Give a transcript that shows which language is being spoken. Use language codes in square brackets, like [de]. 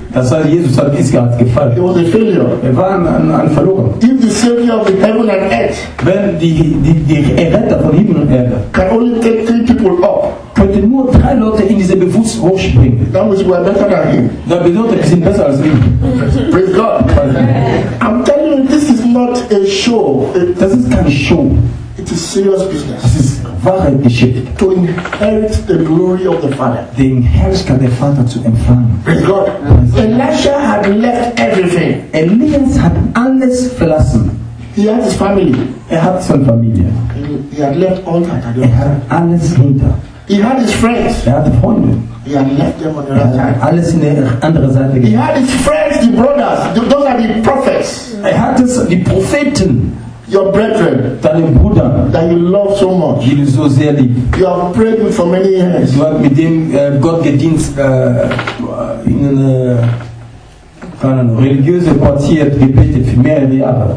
[de] Das heißt, Jesus hat nicht gefallen. [en] He was a failure. [de] Er war ein Verlorener. [en] If the Savior of the heaven and earth, [de] wenn die Erretter von Himmel und Erde, [en] can only take three people up. [de] Könnte nur drei Leute in diese Bewusstsein hochspringen. [en] That means we are better than him. [de] Das bedeutet, wir sind besser als ihn. [en] Praise God. I'm telling you, this is not a show. [de] Das ist keine Show. [en] It is serious business. [de] Das ist wahre Geschichte. [en] To inherit the glory of the Father. [de] Den Herrscher der Vater zu empfangen. [en] Praise God. Elisha had left everything. [de] Elias hat alles verlassen. [en] He had his family. [de] Er hat seine Familie. [en] He had left all that. [de] Er hat alles hinter. [en] He had his friends. [de] Er hatte Freunde. [en] He had left them on the other side. [de] Er hat alles in der anderen Seite gegeben. [en] He had his friends, the brothers. Those are the prophets. [de] Er hatte die Propheten. [en] Your brethren. [de] Deine Brüder. [en] That you love so much. [de] Die du so sehr liebst. [en] You have prayed with for many years. [de] Du hast mit dem Gott gedient in einem religiösen Quartier gebetet für mehrere Jahre.